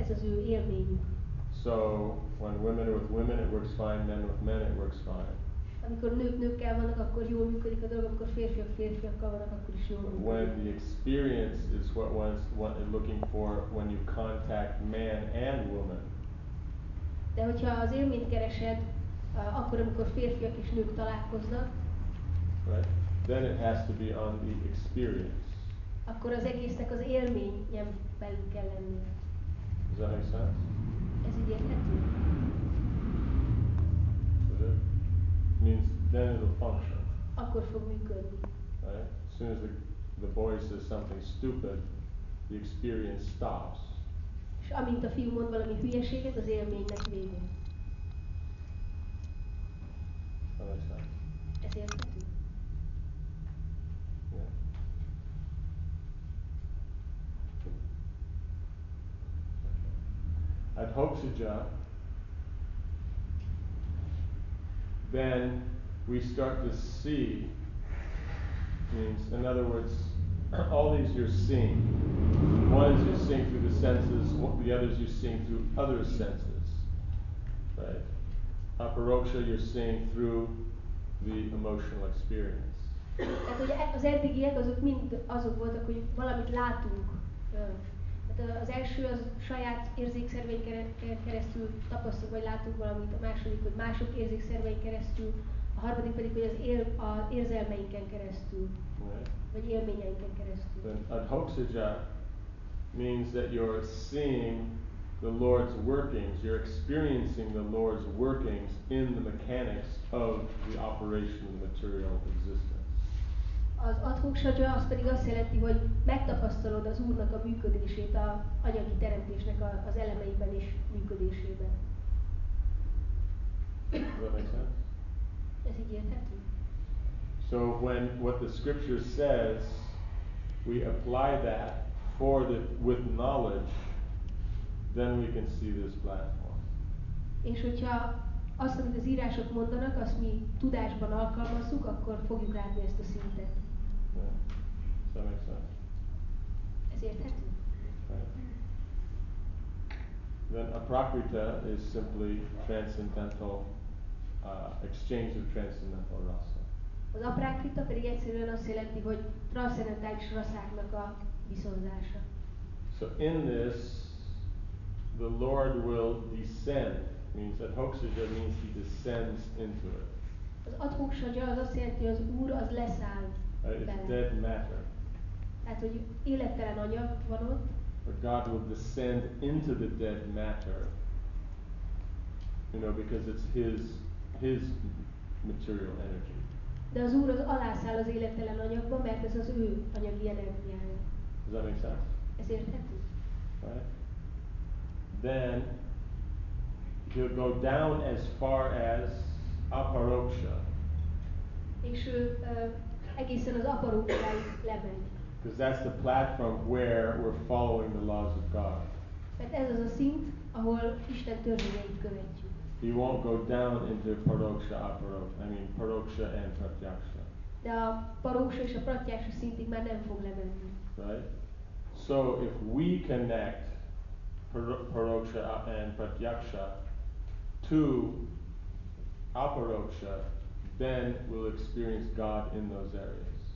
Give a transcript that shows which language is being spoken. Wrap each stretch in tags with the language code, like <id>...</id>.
<hu>Ez az ő élményük.</hu> <en>So, when women are with women, it works fine. Men with men, it works fine.</en> <hu>Amikor nők nőkkel vannak, akkor jól működik a dolog, amikor férfiak férfiakkal vannak, akkor is jól működik.</hu> <en>When the experience is what one's looking for when you contact man and woman.</en> <hu>De hogyha az élményt keresed, akkor amikor férfiak és nők találkoznak.</hu> <en>Right. Then it has to be on the experience.</en> <hu>Akkor az egésznek az élményen belül kell lennie.</hu> <en>Does that make sense?</en> <hu>Ez így érthető?</hu> <en>Means then it'll function.</en> <hu>Akkor fog működni.</hu> <en>Right? As soon as the boy says something stupid, the experience stops.</en> <hu>És amint a fiú mond valami hülyeséget, az élménynek vége.</hu> <en>That makes sense.</en> <hu>Ez érthető.</hu> <en>Yeah. At Hoksija, then we start to see, means, in other words, all these you're seeing. One is you're seeing through the senses, the others you're seeing through other senses. Right? Aparoksha, you're seeing through the emotional experience.</en> <hu>Tehát ugye az eddigiek azok mind azok voltak, hogy valamit látunk. Hát az első az saját érzékszerveink keresztül tapasztalunk vagy látunk valamit, a második, hogy mások érzékszerveink keresztül, a harmadik pedig, hogy az érzelmeinken keresztül,</hu> <en>right.</en> <hu>Vagy élményeinken keresztül.</hu> <en>Adhoksija means that you're seeing the Lord's workings, you're experiencing the Lord's workings in the mechanics of the operation of the material existence.</en> <hu>Az adhoksaja az pedig azt jelenti, hogy megtapasztalod az Úrnak a működését, a anyagi teremtésnek az elemeiben és működésében. Ez így érthető?</hu> <en>So when what the scripture says, we apply that for the with knowledge, then we can see this platform.</en> <hu>És hogyha azt, amit az írások mondanak, azt mi tudásban alkalmazzuk, akkor fogjuk látni ezt a szintet.</hu> <en>Does that make sense?</en> <hu>Ez érthető?</hu> <en>Then aprakrita is simply transcendental exchange of transcendental rasa.</en> <hu>Az aprakrita pedig egyszerűen azt jelenti, hogy transzcendentális rasszáknak a viszonzása.</hu> <en>So in this, the Lord will descend. Means adhoksaja means he descends into it.</en> <hu>Az adhoksaja az azt jelenti, hogy az Úr az leszáll.</hu> <en>It's dead matter.</en> <hu>Tehát, hogy élettelen anyag van ott.</hu> <en>But God will descend into the dead matter, you know, because it's his material energy.</en> <hu>De az Úr az alászáll az élettelen anyagba, mert ez az ő anyagi energiája.</hu> <en>Does that make sense?</en> <hu>Ez érthető?</hu> <en>Right. Then he'll go down as far as aparoksha.</en> <hu>És ő egészen az aparoksháig lemegy.</hu> <en>Because that's the platform where we're following the laws of God.</en> <hu>Mert ez az a szint, ahol Isten törvényeit követjük.</hu> <en>He won't go down into paroksha, aparoksha. I mean, paroksha and pratyaksha.</en> <hu>De a paroksha és a pratyaksha szintig már nem fog lemenni.</hu> <en>Right? So if we connect paroksha and pratyaksha to aparoksha, then we'll experience God in those areas.</en>